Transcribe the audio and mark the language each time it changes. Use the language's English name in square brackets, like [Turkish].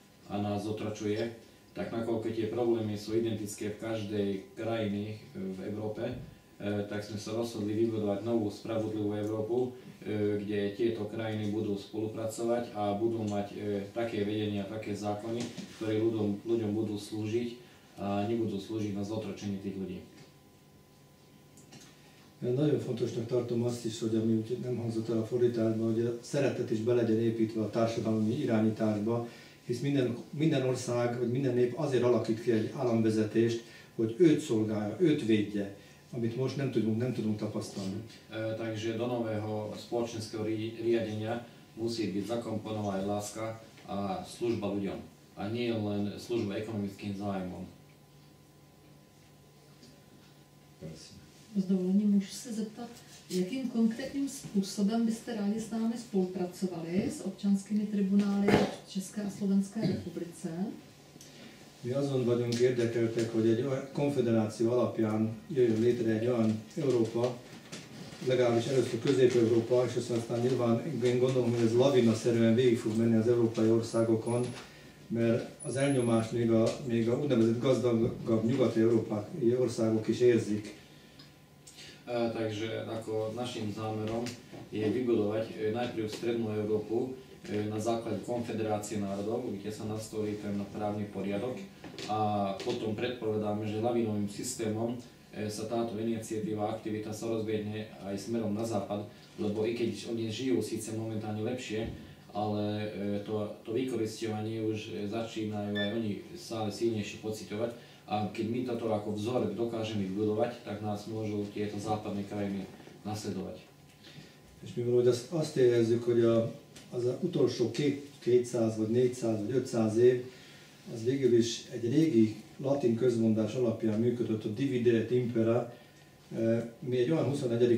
[Slovak] a nás otročuje, tak nakoľko tie problémy sú identické v každej krajine v Európe, tak sme sa rozhodli vybudovať novú spravodlivú Európu, kde tieto krajiny budú spolupracovať a budú mať také vedenia, také zákony, ktoré ľuďom budú slúžiť a nebudú slúžiť na zotročenie tých ľudí. [Hungarian] Nagyon fontosnak tartom azt is, hogy ami nem hangzott el a fordításban, hogy a szeretet is be legyen építve a társadalmi irányításba, hisz minden ország, vagy minden nép azért alakít ki egy államvezetést, hogy őt szolgálja, őt védje, amit most nem tudunk tapasztalni. [Slovak] Takže do nového spoločenského riadenia musí byť zakomponovaná aj láska a služba ľuďom, a nie len služba ekonomickým zájmom. [Czech] S dovolením můžu se zeptat, jakým konkrétním způsobem byste rádi s námi spolupracovali s občanskými tribunály v České a Slovenské republice? [Hungarian] My azon vagyunk érdekeltek, hogy egy konfederáció alapján jöjjön létre egy olyan Európa, legalábbis először Közép-Európa, és aztán nyilván én gondolom, hogy ez lavinaszerűen végig fog menni az európai országokon, mert az elnyomást még a úgynevezett gazdagabb nyugat-európai országok is érzik. [Slovak] Takže ako našim zámerom je vybudovať najprv strednú Európu na základe konfederácie národov, kde sa nastolí ten právny poriadok a potom predpovedáme, že lavinovým systémom sa táto iniciatíva, aktivita sa rozbiehne aj smerom na západ, lebo i keď oni žijú síce momentálne lepšie, ale to vykoristovanie už začínajú aj oni stále silnejšie pociťovať. A keď my toto ako vzor dokážeme vybudovať, tak nás môžu tieto západné krajiny nasledovať. [Hungarian] És mivel hogy azt érezzük, hogy az utolsó 200 vagy 400 vagy 500 év, az végül is egy régi latin közmondás alapján működött, a [Latin] divide et impera, [Hungarian] mi egy olyan 21.